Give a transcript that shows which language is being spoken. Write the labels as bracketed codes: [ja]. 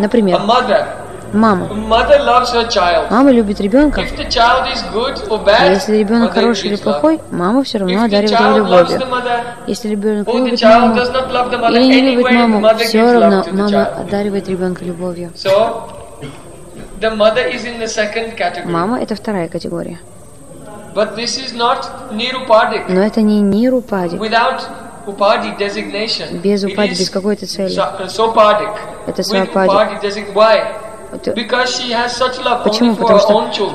[ru] например, [en] a mother, [ru] мама. [en] Mother loves her child. [ru] Мама любит ребенка. [en] If the child is good or bad, [ru] если ребенок хороший или плохой, мама все равно одаривает его любовью. Если ребенок любит маму или не любит маму, все равно мама одаривает ребенка любовью. [en] So, the mother is in the second category. [ru] Мама – это вторая категория. [en] But this is not nirupadik. [ru] Но это не нирупадик. [en] Without upadi designation, [ru] без упади, без какой-то цели. [sa] Sopadik. [ru] Это сопадик. [en] With upadi designation, why? Because she has such love only [ru] Почему? [en] For her own children.